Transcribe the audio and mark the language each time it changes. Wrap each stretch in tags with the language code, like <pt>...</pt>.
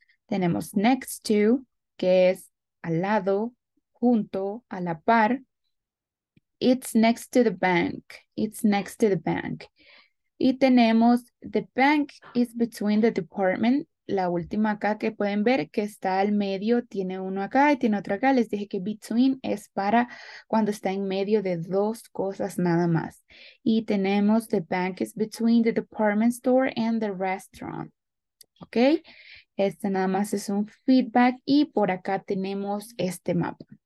<es>Tenemos next to, que es al lado, junto, a la par.</es> <en>It's next to the bank. It's next to the bank.</en> <es>Y tenemos,</es> <en>the bank is between the department.</en> <es>La última acá que pueden ver que está al medio, tiene uno acá y tiene otro acá. Les dije que between es para cuando está en medio de dos cosas nada más. Y tenemos,</es> <en>the bank is between the department store and the restaurant. ¿Ok?</en> <es>Este nada más es un feedback y por acá tenemos este mapa.</es>